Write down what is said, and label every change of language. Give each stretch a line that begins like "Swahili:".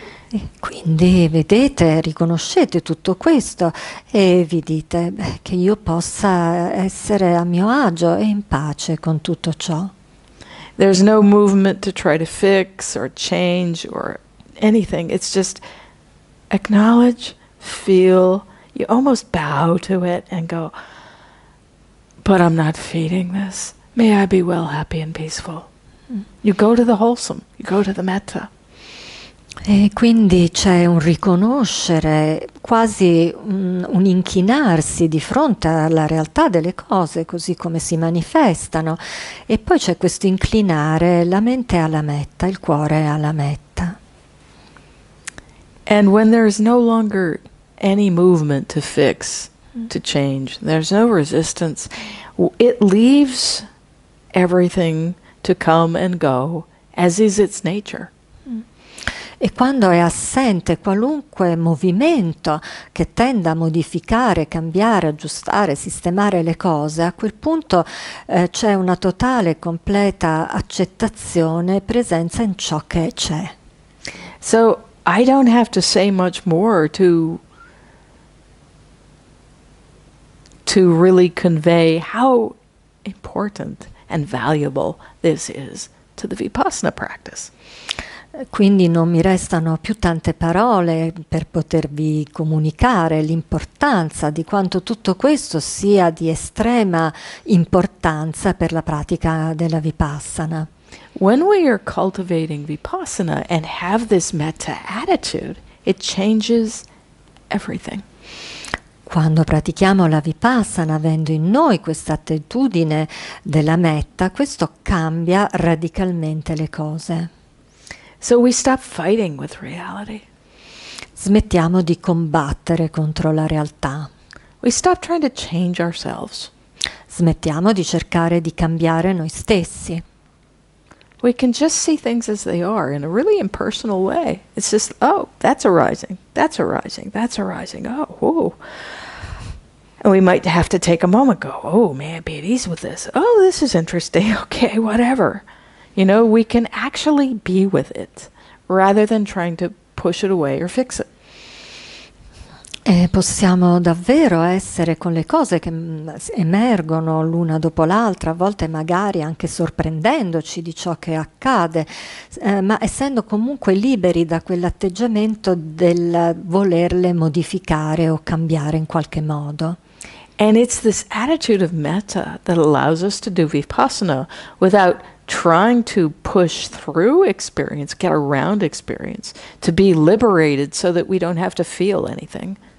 Italian: E quindi vedete, riconoscete tutto questo e vi dite, beh, che io possa essere a mio agio e in pace con tutto ciò.
English: There's no movement to try to fix or change or anything. It's just acknowledge, feel, you almost bow to it and go, but I'm not feeding this. May I be well, happy and peaceful. You go to the wholesome, you go to the metta.
Italian: E quindi c'è un riconoscere, quasi un inchinarsi di fronte alla realtà delle cose, così come si manifestano. E poi c'è questo inclinare la mente alla metta, il cuore alla metta.
English: And when there is no longer any movement to fix, to change, there's no resistance, it leaves everything to come and go, as is its nature.
Italian: E quando è assente qualunque movimento che tenda a modificare, cambiare, aggiustare, sistemare le cose, a quel punto c'è una totale e completa accettazione e presenza in ciò che c'è.
English: So I don't have to say much more to really convey how important and valuable this is to the Vipassana practice.
Italian: Quindi non mi restano più tante parole per potervi comunicare l'importanza di quanto tutto questo sia di estrema importanza per la pratica della Vipassana.
English: When we are cultivating Vipassana and have this metta attitude, it changes everything.
Italian: Quando pratichiamo la Vipassana, avendo in noi questa attitudine della metta, questo cambia radicalmente le cose.
English: So we stop fighting with reality.
Italian: Smettiamo di combattere contro la realtà.
English: We stop trying to change ourselves.
Italian: Smettiamo di cercare di cambiare noi stessi.
English: We can just see things as they are in a really impersonal way. It's just, oh, that's arising, that's arising, that's arising, oh, whoa. And we might have to take a moment, go, oh, may I be at ease with this? Oh, this is interesting, okay, whatever. You know, we can actually be with it, rather than trying to push it away or fix it.
Italian: E possiamo davvero essere con le cose che emergono l'una dopo l'altra, a volte magari anche sorprendendoci di ciò che accade, ma essendo comunque liberi da quell'atteggiamento del volerle modificare o cambiare in qualche modo.
English: And it's this attitude of metta that allows us to do Vipassana without trying to push through experience, get around experience, to be liberated so that we don't have to feel anything.